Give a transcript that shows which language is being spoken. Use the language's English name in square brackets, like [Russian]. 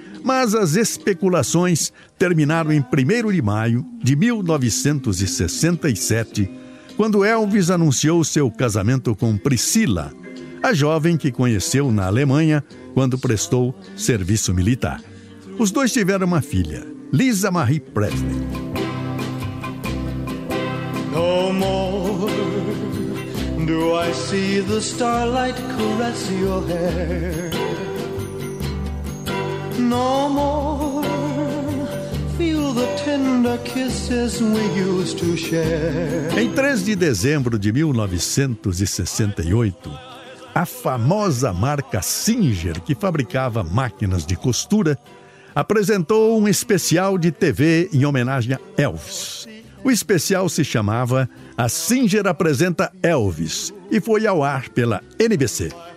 [Portuguese] Mas as especulações terminaram em 1º de maio de 1967, quando Elvis anunciou seu casamento com Priscila, a jovem que conheceu na Alemanha quando prestou serviço militar. Os dois tiveram uma filha, Lisa Marie Presley. [English] No more do I see the starlight caress your hair. No more feel the tender kisses we used to share. [Portuguese] Em 3 de dezembro de 1968, a famosa marca Singer, que fabricava máquinas de costura, apresentou um especial de TV em homenagem a Elvis. O especial se chamava A Singer Apresenta Elvis e foi ao ar pela NBC.